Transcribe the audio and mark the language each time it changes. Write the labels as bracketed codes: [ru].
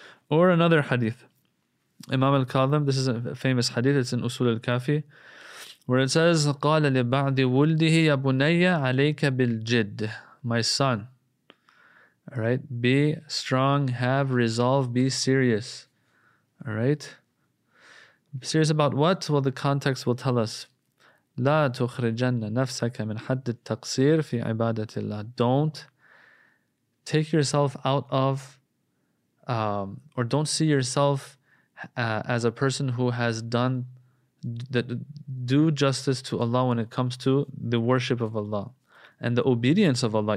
[en] Or another hadith, Imam al-Kadhim, this is a famous hadith, it's in Usul al-Kafi, where it says, [ar] قَالَ لِبَعْدِ وُلْدِهِ يَا بُنَيَّ عَلَيْكَ بِالْجِدِّ. [en] My son, all right, be strong, have resolve, be serious, all right? Serious about what? Well, the context will tell us. [ar] لا تخرجن نفسك من حد التقصير في عبادة الله. [en] Don't take yourself out of, or don't see yourself as a person who has done that. Do justice to Allah when it comes to the worship of Allah and the obedience of Allah.